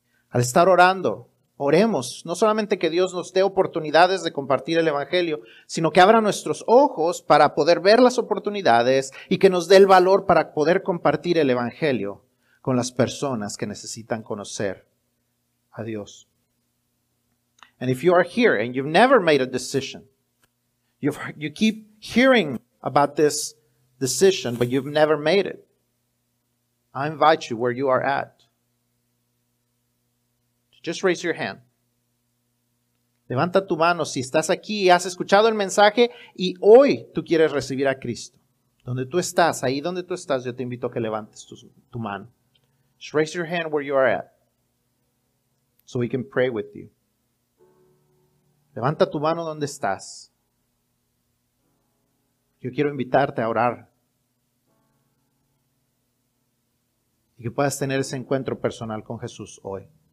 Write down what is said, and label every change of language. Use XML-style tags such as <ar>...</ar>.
<es>Al estar orando, oremos, no solamente que Dios nos dé oportunidades de compartir el Evangelio, sino que abra nuestros ojos para poder ver las oportunidades y que nos dé el valor para poder compartir el Evangelio con las personas que necesitan conocer a Dios.</es> <en>And if you are here and you've never made a decision, you keep hearing about this decision, but you've never made it, I invite you where you are at. Just raise your hand.</en> <es>Levanta tu mano si estás aquí y has escuchado el mensaje y hoy tú quieres recibir a Cristo. Donde tú estás, ahí donde tú estás, yo te invito a que levantes tu mano.</es> <en>Just raise your hand where you are at so we can pray with you.</en> <es>Levanta tu mano donde estás. Yo quiero invitarte a orar y que puedas tener ese encuentro personal con Jesús hoy.</es>